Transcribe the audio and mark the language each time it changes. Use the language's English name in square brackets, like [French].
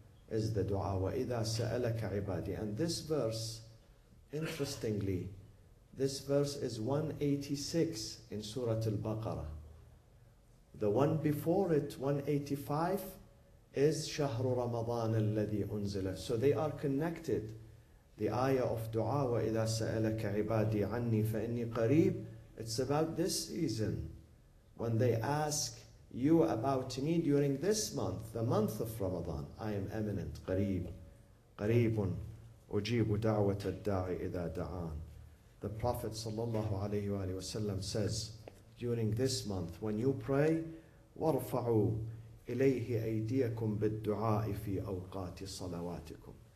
[English] Is the dua. [Arabic] وَإِذَا سَأَلَكَ عِبَادِي. [English] And this verse, interestingly, this verse is 186 in Surah Al-Baqarah. The one before it, 185, is [Arabic] شهر رمضان الذي أنزل. [English] So they are connected. The ayah of dua, [Arabic] وَإِذَا سَأَلَكَ عِبَادِي عَنِّي فَإِنِّي قَرِيبٌ. [English] It's about this season. When they ask you about me during this month, the month of Ramadan, I am eminent, قَرِيب. [Arabic] قَرِيبٌ أُجِيبُ دَعْوَةَ الدَّاعِ إِذَا دَعَانَ. [English] The Prophet sallallahu alayhi wa sallam says, during this month, when you pray, [Arabic] وَارْفَعُوا إليه أيديكم بالدعاء في أوقات صلواتكم.